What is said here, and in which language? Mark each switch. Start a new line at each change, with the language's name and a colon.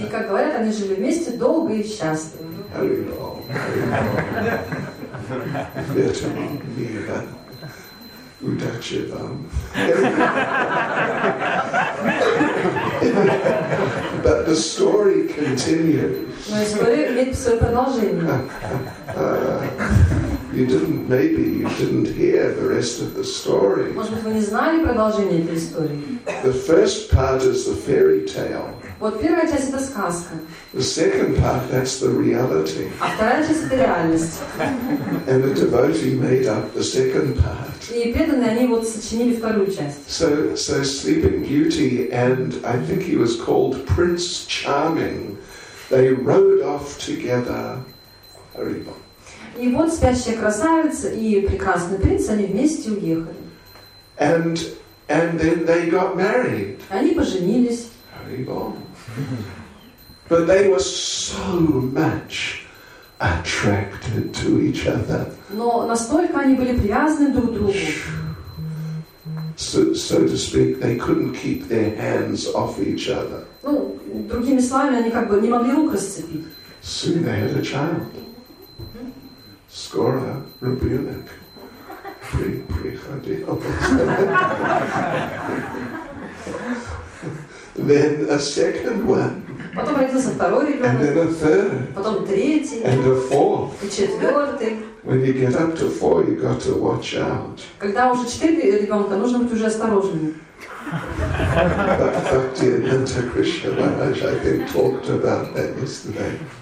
Russian: И как говорят, они жили вместе долго и счастливо. Honeyball. Vietnam, Mira, Udachivam.
English: But the story continues. You didn't hear the rest of the story. The first part is the fairy tale.
Russian: Вот первая часть — это сказка.
English: The second part — that's the reality.
Russian: А вторая часть — это реальность.
English: And the devotee made up the second part.
Russian: И преданные, они вот сочинили вторую часть.
English: So Sleeping Beauty and I think he was called Prince Charming, they rode off together. Haribo.
Russian: И вот спящая красавица и прекрасный принц, они вместе уехали.
English: And then they got married.
Russian: Они поженились.
English: But they were so much attracted to each other.
Russian: Но настолько они были привязаны друг к другу.
English: So to speak, they couldn't keep their hands off each other.
Russian: Ну, другими словами, они как бы не могли рук расцепить.
English: Soon they had a child.
Russian: Скоро ребенок приходил.
English: Then a second one.
Russian: Потом родился второй ребенок.
English: And then a third.
Russian: Потом третий.
English: And a fourth.
Russian: И четвертый.
English: When you get up to four, you got to watch out.
Russian: Когда уже четыре ребенка, нужно быть уже осторожным.
English: Bhakti Ananta Krishna Maharaj, I think, talked about that yesterday.